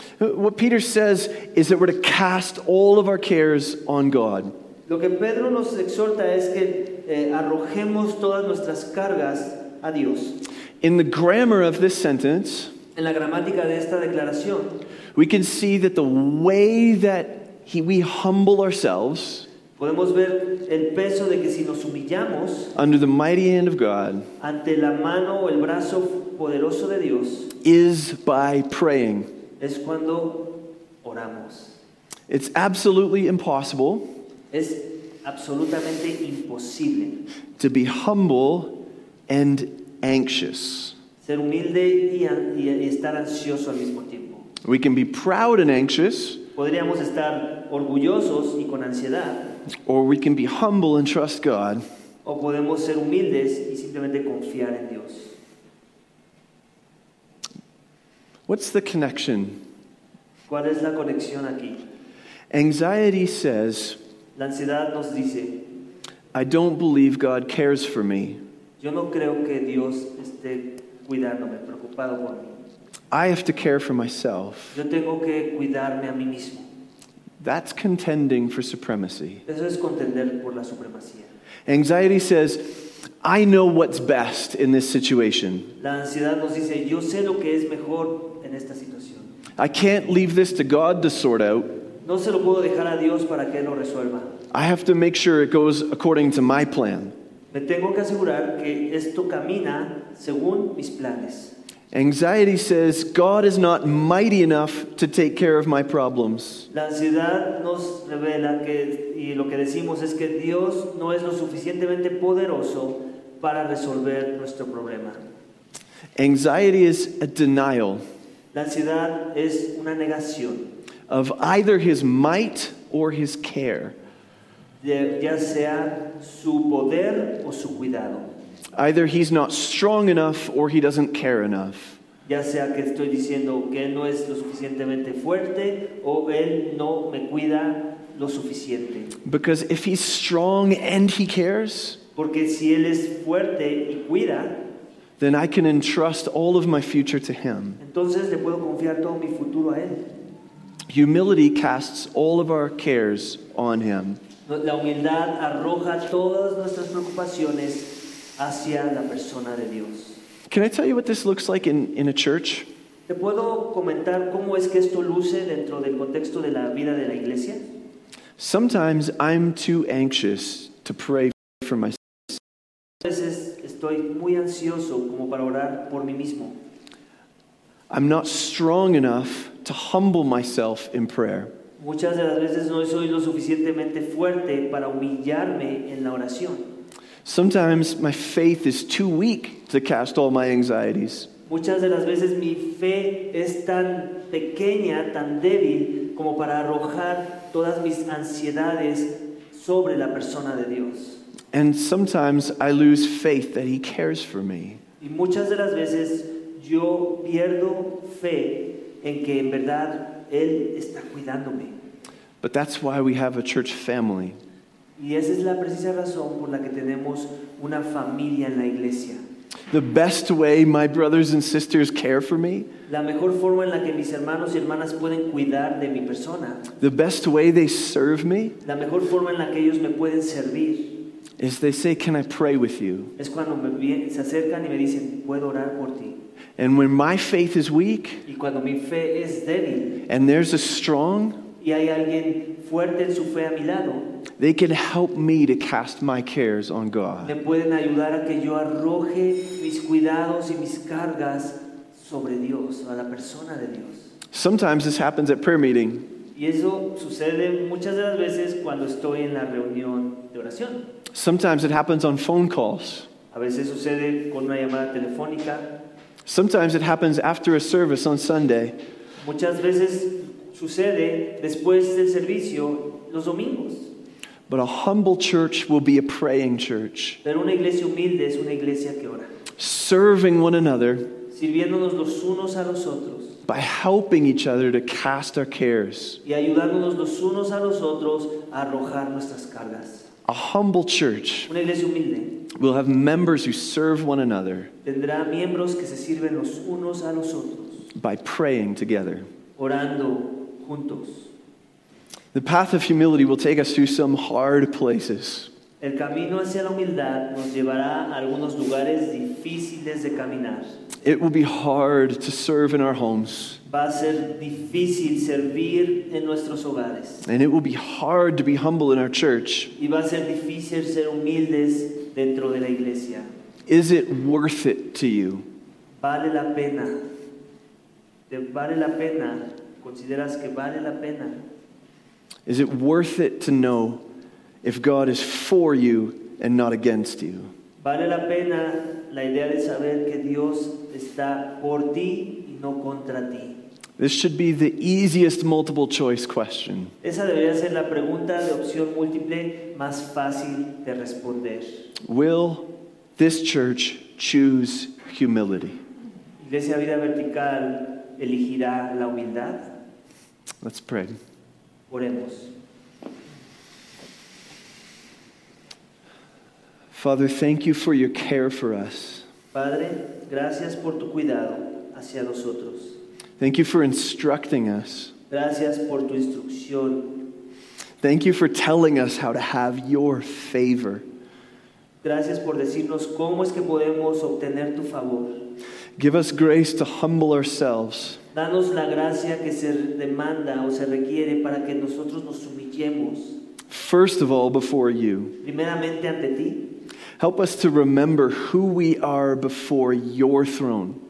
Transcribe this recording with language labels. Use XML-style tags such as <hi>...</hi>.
<en>What Peter says is that we're to cast all of our cares on God.</en> <es>Lo que Pedro nos exhorta es que arrojemos todas nuestras cargas a Dios.</es> <en>In the grammar of this sentence,</en> <es>en la gramática de esta declaración,</es> <en>we can see that the way that we humble ourselves,</en> <es>podemos ver el peso de que si nos humillamos</es> <en>under the mighty hand of God,</en> <es>ante la mano o el brazo poderoso de Dios,</es> <en>is by praying.</en> <es>Es cuando oramos.</es> <en>It's absolutely impossible.</en> <es>Es absolutamente imposible.</es> <en>To be humble and anxious.</en> <es>Ser humilde y estar ansioso al mismo tiempo.</es> <en>We can be proud and anxious.</en> <es>Podríamos estar orgullosos y con ansiedad.</es> <en>Or we can be humble and trust God.</en> <es>O podemos ser humildes y simplemente confiar en Dios.</es> <en>What's the connection?</en> <es>¿Cuál es la conexión aquí?</es> <en>Anxiety says,</en> <es>la ansiedad nos dice,</es> <en>I don't believe God cares for me.</en> <es>Yo no creo que Dios esté cuidándome, preocupado por mí.</es> <en>I have to care for myself.</en> <es>Yo tengo que cuidarme a mí mismo.</es> <en>That's contending for supremacy.</en> <es>Eso es contender por la supremacía.</es> <en>Anxiety says, I know what's best in this situation.</en> <es>La ansiedad nos dice, yo sé lo que es mejor en esta situación.</es> <en>I can't leave this to God to sort out.</en> <es>No se lo puedo dejar a Dios para que lo resuelva.</es> <en>I have to make sure it goes according to my plan.</en> <es>Me tengo que asegurar que esto camina según mis planes.</es> <en>Anxiety says, God is not mighty enough to take care of my problems.</en> <es>La ansiedad nos revela que, y lo que decimos es que Dios no es lo suficientemente poderoso para resolver nuestro problema.</es> <en>Anxiety is a denial.</en> <es>La ansiedad es una negación.</es> <en>Of either his might or his care.</en> <es>De, ya sea su poder o su cuidado.</es> <en>Either he's not strong enough or he doesn't care enough.</en> <es>Ya sea que estoy diciendo que no es lo suficientemente fuerte o él no me cuida lo suficiente.</es> <en>Because if he's strong and he cares,</en> <es>porque si él es fuerte y cuida,</es> <en>then I can entrust all of my future to him.</en> <es>Entonces le puedo confiar todo mi futuro a él.</es> <en>Humility casts all of our cares on him.</en> <es>La humildad arroja todas nuestras preocupaciones hacia la persona de Dios.</es> <en>Can I tell you what this looks like in a church?</en> <es>¿Te puedo comentar cómo es que esto luce dentro del contexto de la vida de la iglesia?</es> <en>Sometimes I'm too anxious to pray for myself.</en> <es>A veces estoy muy ansioso como para orar por mí mismo.</es> <en>I'm not strong enough to humble myself in prayer.</en> <es>Muchas de las veces no soy lo suficientemente fuerte para humillarme en la oración.</es> <en>Sometimes my faith is too weak to cast all my anxieties.</en> <es>Muchas de las veces mi fe es tan pequeña, tan débil, como para arrojar todas mis ansiedades sobre la persona de Dios.</es> <en>And sometimes I lose faith that he cares for me.</en> <es>Y muchas de las veces yo pierdo fe en que en verdad él está cuidándome.</es> <en>But that's why we have a church family.</en> <es>Y esa es la precisa razón por la que tenemos una familia en la iglesia.</es> <en>The best way my brothers and sisters care for me.</en> <es>La mejor forma en la que mis hermanos y hermanas pueden cuidar de mi persona.</es> <en>The best way they serve me.</en> <es>La mejor forma en la que ellos me pueden servir.</es> <en>Is they say, can I pray with you?</en> <es>Es cuando se acercan y me dicen, puedo orar por ti.</es> <en>And when my faith is weak.</en> <es>Y cuando mi fe es débil.</es> <en>And there's a strong.</en> <es>Y hay alguien fuerte en su fe a mi lado.</es> <en>They can help me to cast my cares on God.</en> <es>Me pueden ayudar a que yo arroje mis cuidados y mis cargas sobre Dios, a la persona de Dios.</es> <en>Sometimes this happens at prayer meeting.</en> <es>Y eso sucede muchas de las veces cuando estoy en la reunión de oración.</es> <en>Sometimes it happens on phone calls.</en> <es>A veces sucede con una llamada telefónica.</es> <en>Sometimes it happens after a service on Sunday.</en> <es>Muchas veces sucede después del servicio los domingos.</es> <en>But a humble church will be a praying church.</en> <es>Pero una iglesia humilde es una iglesia que ora.</es> <en>Serving one another.</en> <es>Sirviéndonos los unos a los otros.</es> <en>By helping each other to cast our cares.</en> <es>Y ayudándonos los unos a los otros a arrojar nuestras cargas.</es> <en>A humble church.</en> <es>Una iglesia humilde.</es> <en>We'll have members who serve one another.</en> <es>Tendrá miembros que se sirven los unos a los otros.</es> <en>By praying together.</en> <es>Orando juntos.</es> <en>The path of humility will take us through some hard places.</en> <es>El camino hacia la humildad nos llevará a algunos lugares difíciles de caminar.</es> <en>It will be hard to serve in our homes.</en> <es>Va a ser difícil servir en nuestros hogares.</es> <en>And it will be hard to be humble in our church.</en> <es>Y va a ser difícil ser humildes dentro de la iglesia.</es> <en>Is it worth it to you?</en> <es>Vale la pena. Vale la pena. ¿Consideras que vale la pena?</es> <en>Is it worth it to know if God is for you and not against you?</en> <es>Vale la pena la idea de saber que Dios está por ti y no contra ti.</es> <en>This should be the easiest multiple choice question.</en> <es>Esa debería ser la pregunta de opción múltiple más fácil de responder.</es> <en>Will this church choose humility?</en> <es>Iglesia Vida Vertical elegirá la humildad.</es> <en>Let's pray.</en> <es>Oremos.</es> <en>Father, thank you for your care for us.</en> <es>Padre, gracias por tu cuidado hacia nosotros.</es> <en>Thank you for instructing us.</en> <es>Gracias por tu instrucción.</es> <en>Thank you for telling us how to have your favor.</en> <es>Gracias por decirnos cómo es que podemos obtener tu favor.</es> <en>Give us grace to humble ourselves.</en> <es>Danos la gracia que se demanda o se requiere para que nosotros nos humillemos.</es> <en>First of all, before you.</en> <es>Primeramente ante ti.</es> <en>Help us to remember who we are before your throne.</en>